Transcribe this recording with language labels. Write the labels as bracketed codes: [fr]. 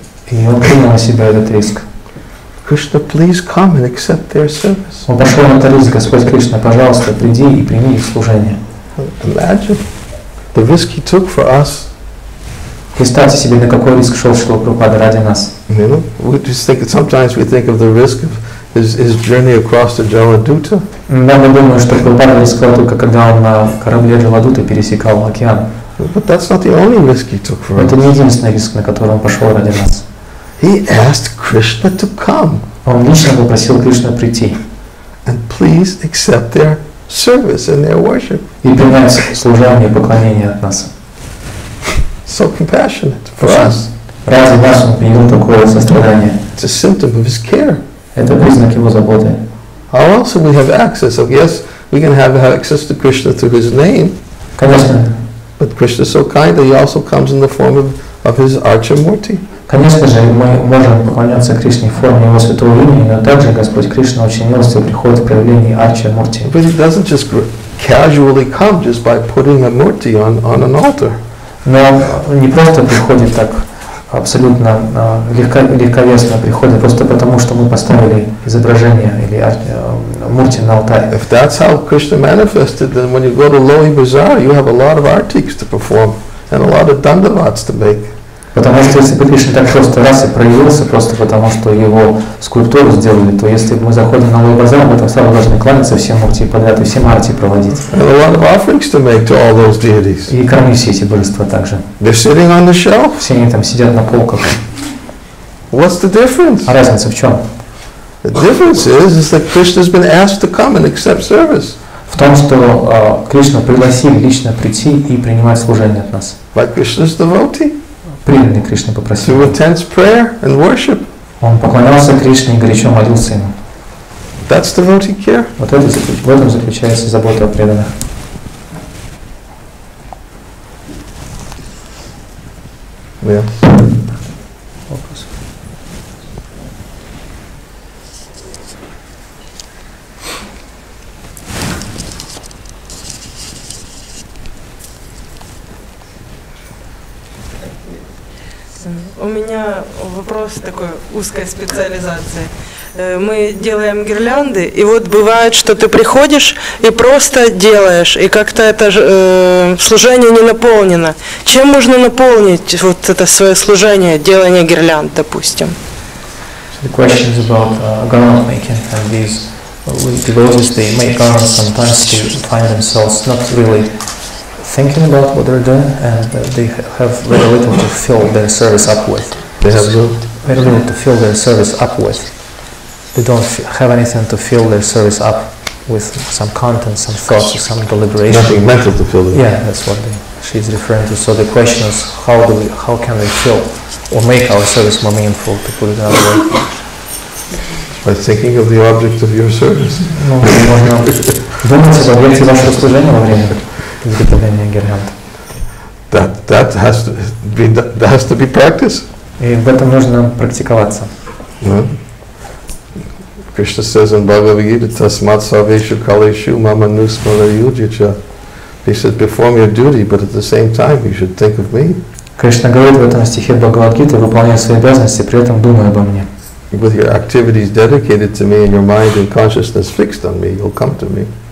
[ru] И он принял на себя этот риск. [en] Krishna, please come and accept their service. [ru] Он пошел на этот риск. Господь Кришна, пожалуйста, приди и прими их служение. [en] Imagine the risk he took for us. [ru] Представьте себе, на какой риск шел Шрила Прабхупада ради нас. [en] You know, we just think sometimes we think of the risk of his journey across the Jaladuta. [ru] Да, мы думаем, что Прабхупада рисковал только когда он на корабле Джаладута пересекал океан. [en] But that's not the only risk he took for us. [ru] Это не единственный риск, на который он пошел ради нас. [en] He asked Krishna to come. [ru] Он лично попросил Кришну прийти. [en] And please accept their service and their worship. [ru] И принять служение и поклонение от нас. [en] So compassionate for us. [ru] Ради нас он принял такое сострадание. [en] It's a symptom of his care. [ru] Это признак его заботы. [en] How else we have access? Oh, yes, we can have access to Krishna through his name. [ru] Конечно. [en] But Krishna is so kind that he also comes in the form of his Archamurti. [ru] Конечно же, мы можем поклоняться Кришне в форме его святого имени, но также Господь Кришна очень милостиво приходит в проявлении Арчи-мурти. [en] But he doesn't just casually come just by putting a murti on an altar. [ru] Но он не просто приходит так абсолютно легковесно, приходит просто потому, что мы поставили изображение или мурти на алтарь. [en] If that's how Krishna manifested, then when you go to Lohi Bazaar, you have a lot of artiks to perform and a lot of dandavats to make. [ru] Потому что если бы Кришна так просто раз и проявился, просто потому что его скульптуру сделали, то если мы заходим на Лой Базар, мы там сразу должны кланяться всем мурти подряд и всем арти проводить. [en] And a lot of offerings to make to all those deities. [ru] И кормить все эти божества также. [en] They're sitting on the shelf. [ru] Все они там сидят на полках. [en] What's the difference? [ru] А разница в чем? [en] The difference is that Krishna's been asked to come and accept service. [ru] В том, что Кришна пригласил лично прийти и принимать служение от нас. [en] Like Krishna's devotee. [ru] Приданный Кришне попросил. [en] Through intense prayer and worship. [ru] Он поклонялся Кришне и горячо молился ему. [en] That's devotee care. [ru] Вот это, в этом заключается забота о преданных. [en] Yeah. [ru] Вопрос. У меня вопрос такой, узкой специализации. Мы делаем гирлянды, и вот бывает, что ты приходишь и просто делаешь, и как-то это служение не наполнено. Чем можно наполнить вот это свое служение, делание гирлянд, допустим? [en] So the question is about garland making, and these devotees, they make garland sometimes to find themselves not really thinking about what they're doing, and they have very little to fill their service up with. They have very little to fill their service up with. They don't have anything to fill their service up with, some content, some thoughts, or some deliberation. Nothing mental to fill it. Yeah, that's what she's referring to. So the question is, how can we fill or make our service more meaningful, to put it another way? By thinking of the object of your service. No, no, no. [ru] Думать об объекте вашего служения во время изготовления гирлянд. [en] That has to be practice. [ru] И в этом нужно практиковаться. [en] Krishna says in Bhagavad Gita, [sa] Tasmat Sarveshu Kaleshu Mama Nusmara Yujicha. [en] He said, perform your duty, but at the same time you should think of me. [ru] Кришна говорит в этом стихе Бхагавад-гиты, выполняй свои обязанности, при этом думай обо мне. [en] With your activities dedicated to me and your mind and consciousness fixed on me, you'll come to me.